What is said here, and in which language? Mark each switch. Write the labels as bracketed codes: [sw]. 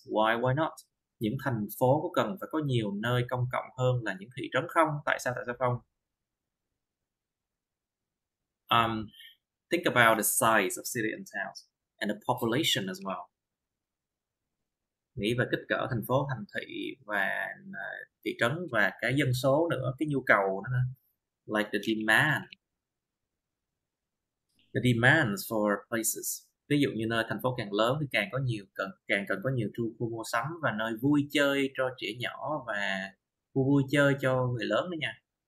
[en] Why not? [vi] Những thành phố có cần phải có nhiều nơi công cộng hơn là những thị trấn không? Tại sao không? [en] Think about the size of cities and towns and the population as well. [vi] Nghĩ về kích cỡ thành phố, thành thị và thị trấn và cái dân số nữa, cái nhu cầu nữa. [en] Like the demand. The demands for places. [vi] Ví dụ như nơi thành phố càng lớn thì càng cần có nhiều khu mua sắm và nơi vui chơi cho trẻ nhỏ và khu vui chơi cho người lớn nữa nha.